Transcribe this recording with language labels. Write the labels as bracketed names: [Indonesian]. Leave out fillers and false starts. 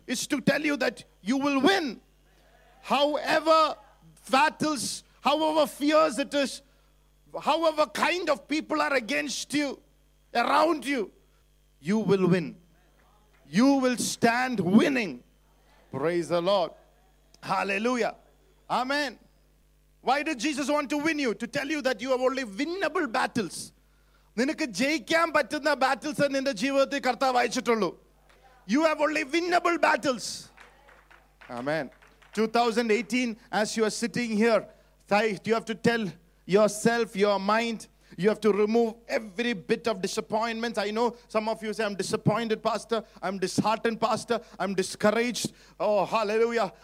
[English] It's to tell you that you will win. However battles, however fears it is, however kind of people are against you, around you, you will win. You will stand winning. Praise the Lord. Hallelujah. Amen. Why did Jesus want to win you? To tell you that you have only winnable battles. [Malayalam] നിനക്ക് ജയിക്കാൻ പറ്റുന്ന battles നിന്റെ ജീവിതത്തിൽ കർത്താവ് അയച്ചിട്ടുള്ളൂ. [English] You have only winnable battles. Amen. 2018, as you are sitting here, you have to tell yourself, your mind, you have to remove every bit of disappointments. I know some of you say, I'm disappointed, Pastor. I'm disheartened, Pastor. I'm discouraged. Oh, hallelujah.